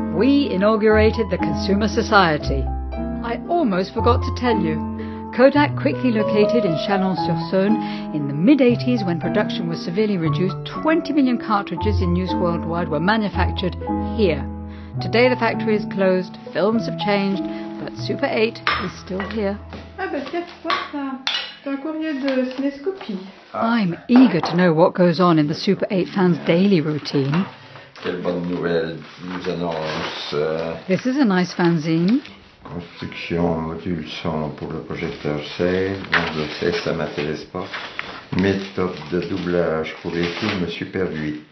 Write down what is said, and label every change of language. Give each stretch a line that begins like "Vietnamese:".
English: We inaugurated the Consumer Society. I almost forgot to tell you. Kodak quickly located in Chalon-sur-Saône in the mid-80s when production was severely reduced. 20 million cartridges in use worldwide were manufactured here. Today the factory is closed, films have changed, but Super 8 is still here.
French: Ah bah tiens, toi, c'est un courrier de Cinescopie.
English: I'm eager to know what goes on in the Super 8 fans' daily routine.
French: Quelle bonne nouvelle nous annonce.
English: This is a nice fanzine.
French: Construction module son pour le projecteur C. Bon, je sais, ça m'intéresse pas. Méthode de doublage pour les films Super 8.